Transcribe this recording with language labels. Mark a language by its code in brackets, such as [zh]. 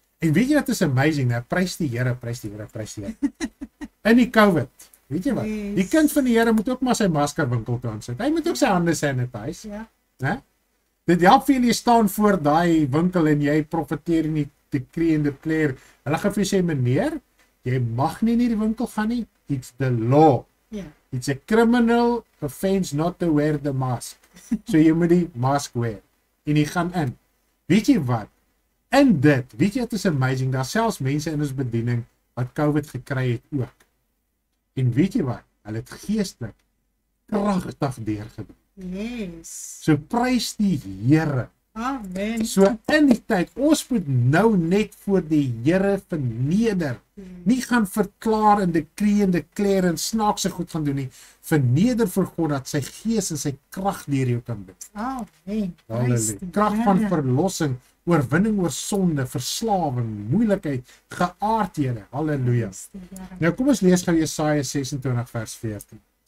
[af] En weet jy wat is amazing, hè? Prys die Here, prys die Here, prys die Here. In die COVID. Weet jy wat? [en] Yes. [af] Die kind van die Here moet ook maar sy maskerwinkel toe aansit. Hy moet ook sy hande sanitise. Ja. Né? Dit help vir jy staan voor daai winkel en jy profeteer in die [en] decree and declare. [af] Hulle gaan vir jy sê, meneer, jy mag nie in die winkel gaan nie. [en] It's the law. [af] Ja. [en] It's a criminal offense not to wear the mask. [af] So jy moet die mask wear. En jy gaan in. Weet jy wat? In dit, weet jy, het is amazing, daar selfs mense in ons bediening wat COVID gekry het ook. En weet jy wat, hulle het geestelik kragtig deurgebreek. [en] Yes. [af] So prys die Here. Amen. So in die tyd, ons moet nou net voor die Here verneder. [en] Yes. [af] Nie gaan verklaar in [en] decree and declare [af] en snaakse goed gaan doen nie. Verneder vir God dat sy gees en sy krag deur jou kan bid. Amen. Krag van verlossing, oorwinning oor sonde, verslawing, moeilikheid, geaardhede. Halleluja. Nou kom ons lees gou Jesaja 26 vers 14.